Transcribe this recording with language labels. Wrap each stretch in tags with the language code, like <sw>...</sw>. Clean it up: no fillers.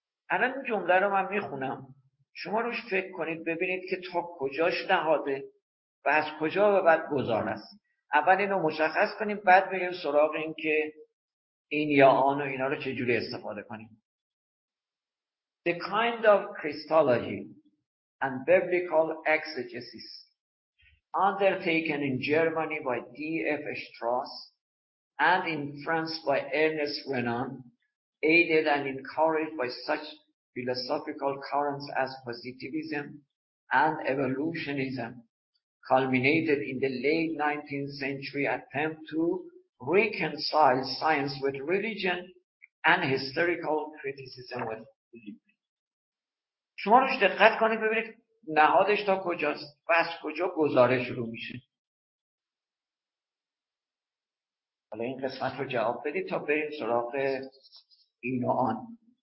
<fa>الان این جمله رو من میخونم، شما روش فکر کنید ببینید که تا کجاش نهاده و از کجا به بعد گزار است. اول اینو مشخص کنیم، بعد بریم سراغ این که این یا آن و اینا رو چجوری استفاده کنیم.</fa> <en>The kind of Christology and biblical exegesis undertaken in Germany by D.F. Strauss and in France by Ernest Renan, aided and encouraged by such philosophical currents as positivism and evolutionism, culminated in the late 19th century attempt to reconcile science with religion and historical criticism with religion.</en> <fa>شما روش دقت کنید ببینید نهادش تا کجاست و از کجا گزاره شروع میشه. حالا این قسمت رو جواب بدید تا بریم سراغ این و آن.</fa>